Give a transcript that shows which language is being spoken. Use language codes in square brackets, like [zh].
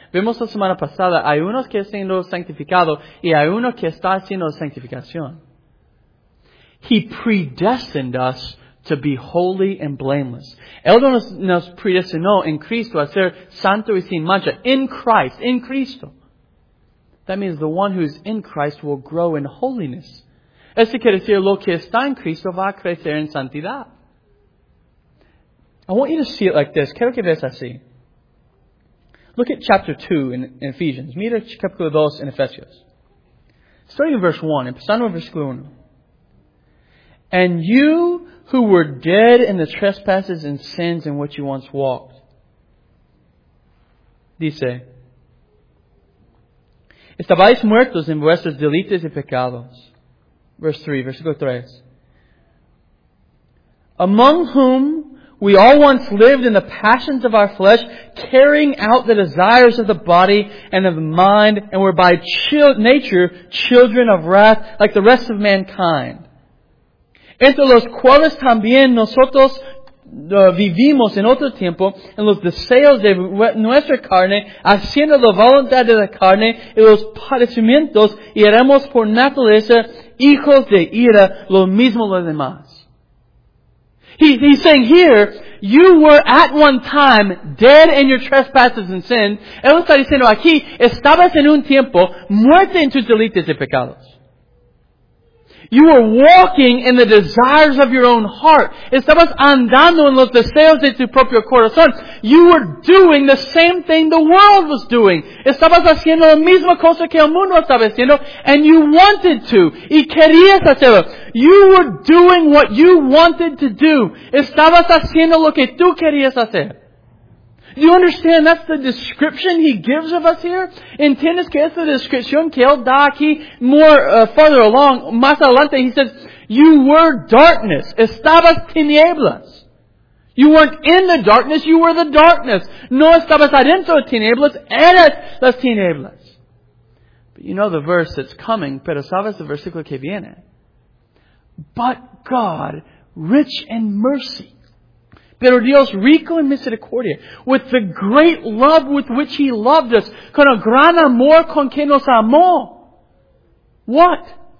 [es] Vimos la semana pasada, hay uno que está siendo sanctificado y hay uno que está haciendo sanctificación. [en] He predestined us to be holy and blameless. [es] Él nos predestinó en Cristo a ser santo y sin mancha. [en] In Christ, in Cristo. That means the one who is in Christ will grow in holiness. [es] Eso quiere decir lo que está en Cristo va a crecer en santidad. [en] I want you to see it like this. [es] Quiero que veas así. [en] Look at chapter 2 in Ephesians. [es] Mira capítulo 2 in Ephesians. [en] Starting in verse 1. [es] Empezando en versículo 1. [en] And you who were dead in the trespasses and sins in which you once walked. [es] Dice. Estabais muertos en vuestros delitos y pecados. Verse 3, versículo 3. [en] Among whom we all once lived in the passions of our flesh, carrying out the desires of the body and of the mind, and were by nature children of wrath, like the rest of mankind. [es] Entre los cuales también nosotros vivimos en otro tiempo en los deseos de nuestra carne, haciendo la voluntad de la carne y los padecimientos, y éramos por naturaleza hijos de ira, lo mismo los demás. [en] He's saying here, you were at one time dead in your trespasses and sin. [es] Él está diciendo aquí, estabas en un tiempo muerto en tus delitos y pecados. [en] You were walking in the desires of your own heart. [es] Estabas andando en los deseos de tu propio corazón. [en] You were doing the same thing the world was doing. [es] Estabas haciendo la misma cosa que el mundo estaba haciendo. [en] And you wanted to. [es] Y querías hacerlo. [en] You were doing what you wanted to do. [es] Estabas haciendo lo que tú querías hacer. [en] Do you understand that's the description he gives of us here? [es] ¿Entiendes que es la descripción que él da aquí? [en] More farther along, [es] más adelante, [en] he says, you were darkness. [es] Estabas tinieblas. [en] You weren't in the darkness, you were the darkness. [es] No estabas adentro de tinieblas, eres las tinieblas. [en] But you know the verse that's coming, [es] pero sabes el versículo que viene. [en] But God, rich in mercy, [es] pero Dios rico en misericordia, [en] with the great love with which He loved us, [es] con el gran amor con que nos amó. [en] What?